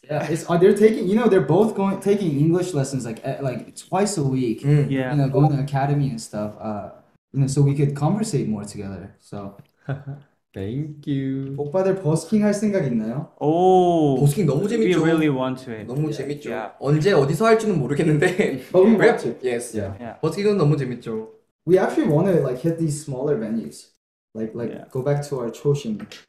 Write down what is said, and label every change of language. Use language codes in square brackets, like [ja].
[en] Yeah, they're taking, you know, they're both going taking English lessons like twice a week. Mm. Yeah. You know, going to academy and stuff. You know, so we could conversate more together. So, thank you. [ko] 오빠들 버스킹 할 생각 있나요? 오. 버스킹 너무 재밌죠. [en] We really want to. [ko] 너무 재밌죠. 언제 어디서 할지는 모르겠는데. [en] But we want to. Yes. Yeah. [ko] 버스킹은 너무 재밌죠. [en] We actually want to like hit these smaller venues, like go back to our 초심.